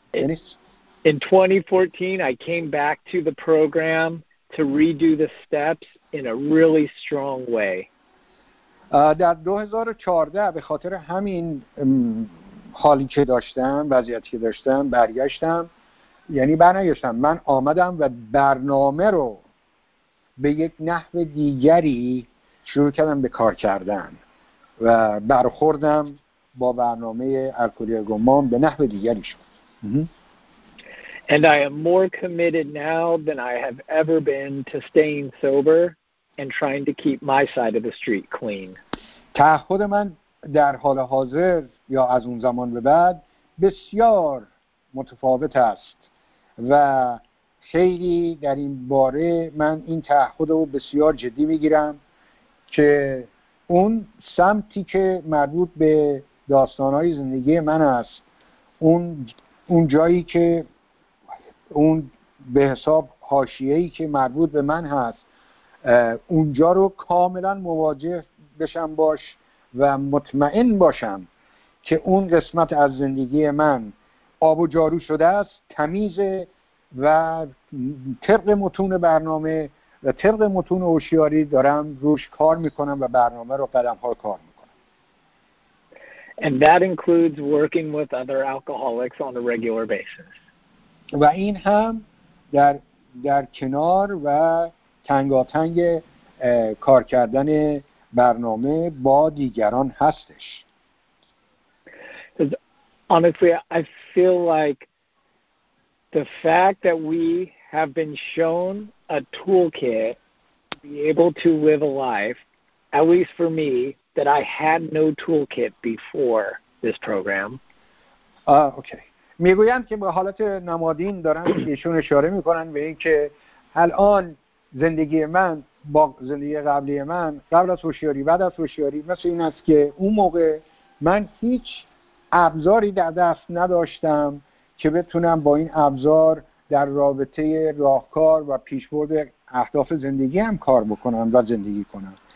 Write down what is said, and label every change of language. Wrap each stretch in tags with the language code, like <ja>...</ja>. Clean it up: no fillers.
<en>In 2014 I came back to the program to redo the steps in a really strong way.</en> <fa>در 2014 به خاطر همین حالی که داشتم، وضعیتی که داشتم، برگشتم. یعنی برنگشتم، من آمدم و برنامه رو به یک نحو دیگری شروع کردم به کار کردن و برخوردم با برنامه الکلی گمان به نحو دیگری شد.</fa> <en>And I am more committed now than I have ever been to staying sober and trying to keep my side of the street clean.</en> <fa>تعهد من در حال حاضر یا از اون زمان به بعد بسیار متفاوت است و خیلی در این باره من این تعهد رو بسیار جدی میگیرم که اون سمتی که مربوط به داستانهای زندگی من است، اون جایی که اون به حساب حاشیه‌ای که مربوط به من هست اونجا رو کاملا مواجه بشم باش و مطمئن باشم که اون قسمت از زندگی من آب و جارو شده است، تمیز و طبق متون برنامه و طبق متون هوشیاری دارم روش کار میکنم و برنامه رو قدم‌ها رو کار میکنم.</fa> <en>And that includes working with other alcoholics on a regular basis.</en> <fa>و این هم در کنار و تنگاتنگ کار کردن برنامه با دیگران هستش.</fa> <en>Honestly, I feel like the fact that we have been shown a toolkit to be able to live a life, at least for me, that I had no toolkit before this program. Okay.</en> <fa>میگویند که به حالت نمادین دارن ایشون اشاره میکنن به این که الان زندگی من با زندگی قبلی من قبل از هوشیاری بعد از هوشیاری مثل این است که اون موقع من هیچ ابزاری در دست نداشتم که بتونم با این ابزار در رابطه راهکار و پیشبرد اهداف زندگی هم کار بکنم و زندگی کنم.</fa>